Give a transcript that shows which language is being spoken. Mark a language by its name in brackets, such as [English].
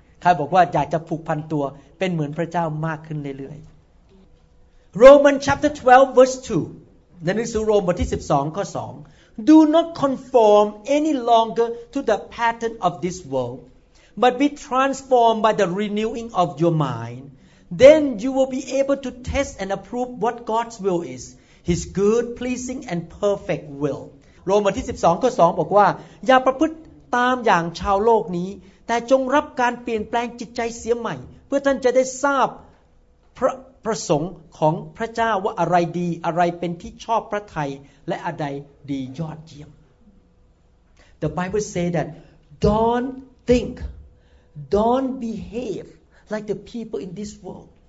[Thai] ใครบอกว่าอยากจะผูกพันตัวเป็นเหมือนพระเจ้ามากขึ้นเรื่อยๆ [English] Romans chapter 12 verse 2 [Thai] ในหนังสือโรมบทที่12ข้อ2 [English] Do not conform any longer to the pattern of this world, but be transformed by the renewing of your mind. Then you will be able to test and approve what God's will is. His good, pleasing, and perfect will. [Thai] โรมบทที่12ข้อ2บอกว่าอย่าประพฤติตามอย่างชาวโลกนี้แต่จงรับการเปลี่ยนแปลงจิตใจเสียใหม่เพื่อท่านจะได้ทราบพระประสงค์ของพระเจ้าว่าอะไรดีอะไรเป็นที่ชอบพระทัยและอะไรดียอดเยี่ยม [English] The Bible say that don't think, don't behave like the people in this world.